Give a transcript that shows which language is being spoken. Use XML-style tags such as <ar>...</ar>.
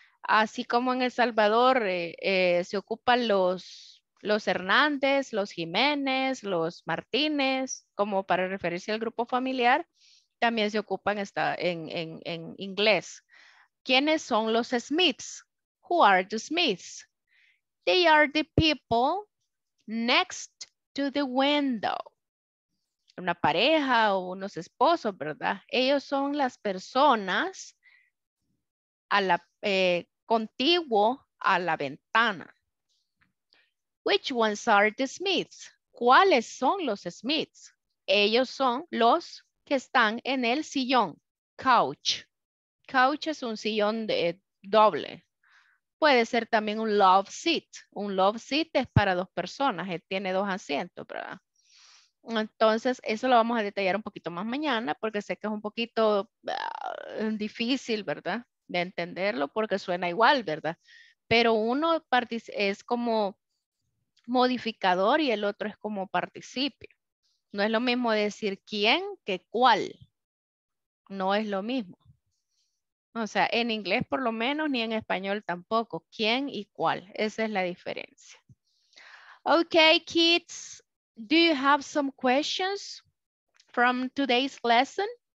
<es>Así como en El Salvador se ocupan los Hernández, los Jiménez, los Martínez, como para referirse al grupo familiar, también se ocupan en inglés. ¿Quiénes son los Smiths?</es> <en>Who are the Smiths? They are the people next to the window.</en> <es>Una pareja o unos esposos, ¿verdad? Ellos son las personas a la, contiguo a la ventana.</es> <en>Which ones are the Smiths?</en> <es>¿Cuáles son los Smiths? Ellos son los que están en el sillón, couch. Couch es un sillón de doble. Puede ser también un love seat. Un love seat es para dos personas. Él tiene dos asientos, ¿verdad? Entonces, eso lo vamos a detallar un poquito más mañana porque sé que es un poquito difícil, ¿verdad? De entenderlo porque suena igual, ¿verdad? Pero uno es como modificador y el otro es como participio. No es lo mismo decir quién que cuál. No es lo mismo. O sea, en inglés por lo menos, ni en español tampoco. ¿Quién y cuál? Esa es la diferencia.</es> <en>Okay, kids, do you have some questions from today's lesson?</en>